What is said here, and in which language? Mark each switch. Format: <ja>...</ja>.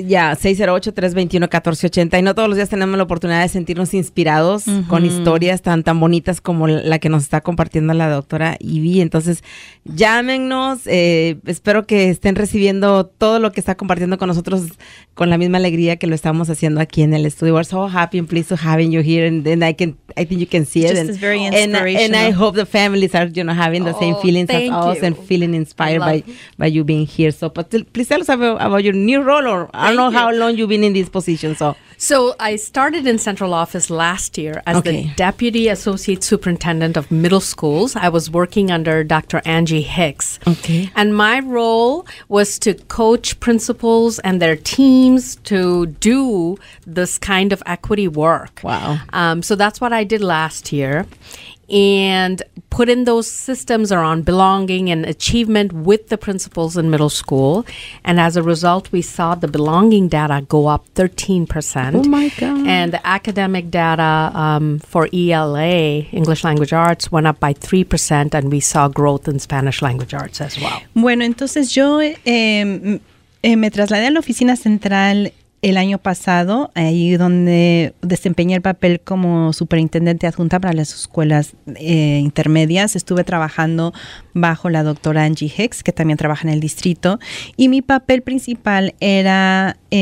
<es>Ya, 608-321-1480, y no todos los días tenemos la oportunidad de sentirnos inspirados con historias tan bonitas como la que nos está compartiendo la doctora Ivy, entonces llámenos. Espero que estén recibiendo todo lo que está compartiendo con nosotros con la misma alegría que lo estamos haciendo aquí en el estudio.</es> <en>We're so happy and pleased to have you here, and I think you can see it. Just is very inspirational. And I hope the families are, you know, having the same feelings as us and feeling inspired by you being here. So, but please tell us about your new role, or I don't know how long you've been in this position. So I started in central office last year as the deputy associate superintendent of middle schools. I was working under Dr. Angie Hicks. Okay. And my role was to coach principals and their teams to do this kind of equity work. Wow. So that's what I did last year, and put in those systems around belonging and achievement with the principals in middle school. And as a result, we saw the belonging data go up 13%. Oh my God. And the academic data for ELA, English Language Arts, went up by 3%, and we saw growth in Spanish Language Arts as well.</en> <es>Bueno, entonces yo me trasladé a la oficina central el año pasado, ahí donde desempeñé el papel como superintendente adjunta para las escuelas intermedias, estuve trabajando bajo la doctora Angie Hicks, que también trabaja en el distrito, y mi papel principal era</es>